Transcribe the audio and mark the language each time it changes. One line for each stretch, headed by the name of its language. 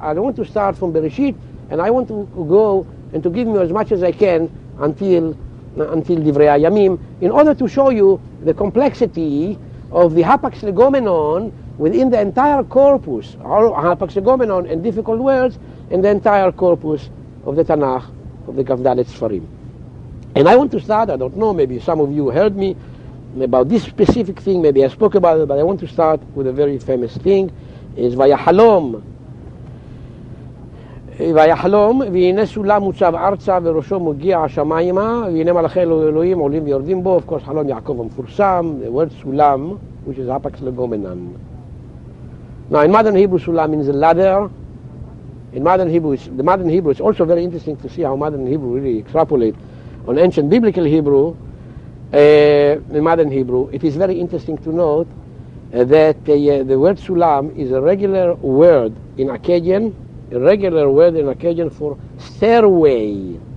English: I want to start from Bereshit, and I want to go and to give you as much as I can until Divrei Hayamim, in order to show you the complexity of the Hapax Legomenon within the entire corpus, or Hapax Legomenon and difficult words, and the entire corpus of the Tanakh, of the Gavdalet Sfarim. And I want to start, I don't know, maybe some of you heard me about this specific thing, maybe I spoke about it, but I want to start with a very famous thing, is Vayahalom.
Hebrew: ויחלום והנה סולם מוצב ארצה וראשו מגיע השמיימה והנה מלאכי אלוהים עולים ויורדים בו.
English: Of course,
Hebrew: חלום יעקב המפורסם,
English: the word
Hebrew: סולם,
English: which is Hapax Legomenon. Now, in modern Hebrew, סולם means a ladder. In modern Hebrew, it's also very interesting to see how modern Hebrew really extrapolate on ancient biblical Hebrew. In modern Hebrew, it is very interesting to note that the word סולם is a regular word in Akkadian, a regular word in Akkadian for stairway.